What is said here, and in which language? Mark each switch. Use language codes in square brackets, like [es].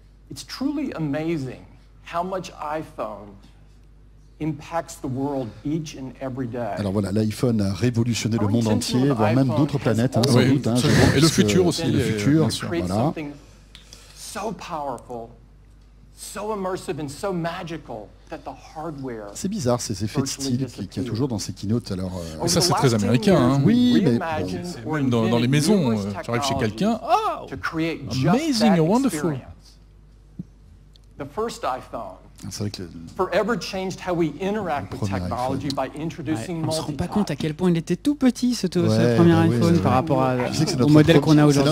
[en] It's truly amazing how much iPhone impacts the world each and every day. [fr] Alors voilà, l'iPhone a révolutionné le monde entier, voire même d'autres planètes, hein, sans doute. Hein, et le futur aussi. Le futur, voilà. [en] So powerful, so immersive and so magical that the hardware. [fr] C'est bizarre ces effets de style qu'il y a toujours dans ces keynotes. Alors, mais ça c'est très américain. Hein. Oui, mais bon. Même dans les maisons, tu arrives chez quelqu'un, [en] oh, amazing, wonderful. The first iPhone. [fr] C'est vrai que on ne se rend pas compte à quel point il était tout petit ce premier iPhone par rapport au modèle qu'on a aujourd'hui.